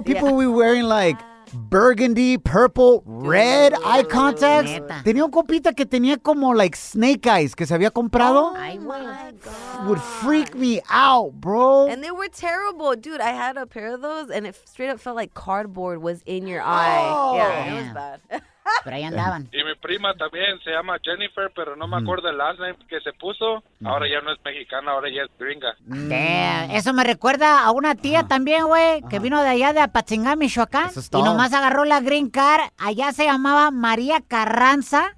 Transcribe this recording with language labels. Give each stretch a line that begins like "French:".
English: People would be wearing like burgundy, purple, red eye contacts.
Spanish: Neta. Tenía un compita que tenía como
English: like snake eyes
Spanish: que se había comprado.
English: Oh my God. Would freak me out, bro. And they were terrible. Dude, I had a pair of those and it straight up felt like cardboard was in your eye. Oh. Yeah, it was bad.
Spanish: Pero ahí andaban. Y mi prima también se llama Jennifer, pero no me acuerdo el last name que se puso. Ahora ya no es mexicana, ahora ya es gringa.
English: Damn.
Spanish: Eso me recuerda a una tía también, güey, que vino de allá de Apatzingán, Michoacán. Y nomás agarró la green card. Allá se llamaba María Carranza.